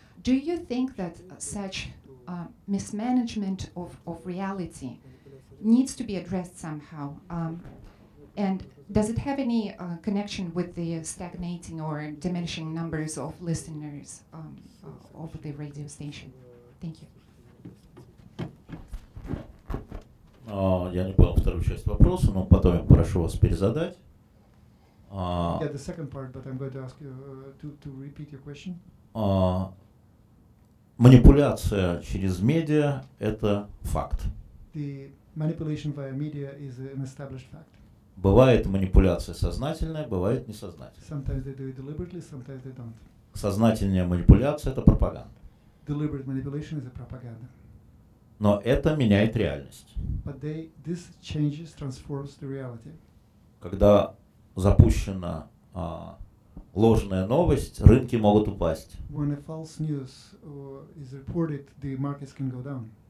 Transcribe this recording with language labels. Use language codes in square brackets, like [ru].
[en] Do you think that such mismanagement of reality needs to be addressed somehow? And does it have any connection with the stagnating or diminishing numbers of listeners of the radio station? Thank you. [ru] Я не понял вторую часть вопроса, но потом я прошу вас перезадать. [en] Yeah, the second part, but I'm going to ask you to repeat your question. [ru] Манипуляция через медиа – это факт. [en] The manipulation via media is an established fact. [ru] Бывает манипуляция сознательная, бывает несознательная. [en] Sometimes they do it deliberately, sometimes they don't. [ru] Сознательная манипуляция – это пропаганда. [en] Deliberate manipulation is a propaganda. [ru] Но это меняет реальность. [en] But this changes, transforms the reality. [ru] Когда запущена ложная новость, рынки могут упасть. [en] When a false news is reported, the markets can go down.